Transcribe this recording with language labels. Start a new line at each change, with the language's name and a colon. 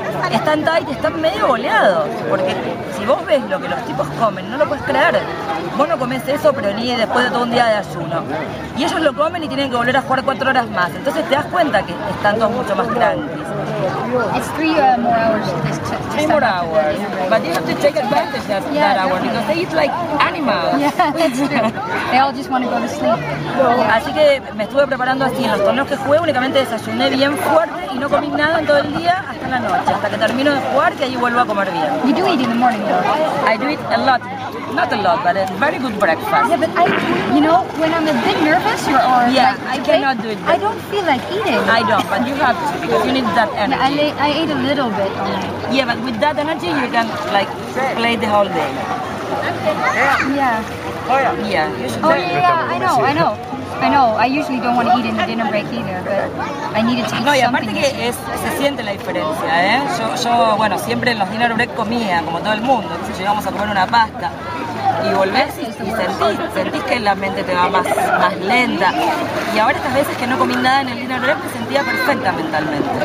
Spanish: Están tight, están medio boleados, porque si vos ves lo que los tipos comen, no lo puedes creer. Vos no comes eso, pero ni después de todo un día de ayuno. Y ellos lo comen y tienen que volver a jugar 4 horas más. Entonces te das cuenta que están todos mucho más tranquilos.
English: It's 3 more hours. But you have to take advantage of that, yeah, hour because they eat like animals. Yeah, they all just want to go to sleep. Yeah.
Spanish: Así que me estuve preparando así. En los torneos que jugué únicamente desayuné bien fuerte y no comí nada en todo el día hasta la noche, hasta que termino de jugar, que ahí vuelvo a comer bien.
English: You do eat in the morning though. I do eat a lot. Not a lot, but a very good breakfast. Yeah, but I, you know, when I'm a bit nervous or yeah, like, I cannot do it. I don't feel like eating. I don't, but you have to because you need that energy. I ate a little bit. Yeah, but with that energy, you can like play the whole day. Yeah. Oh yeah. Yeah. You should play. Oh yeah, yeah. I know. I usually don't want to eat in the dinner break either, but I needed to eat something.
Spanish: No, y aparte que es, se siente la diferencia, ¿eh? Yo, bueno, siempre en los dinner break comía, como todo el mundo. Entonces íbamos a comer una pasta y volvés y sentís que la mente te va más lenta. Y ahora estas veces que no comí nada en el dinner break, me sentía perfecta mentalmente.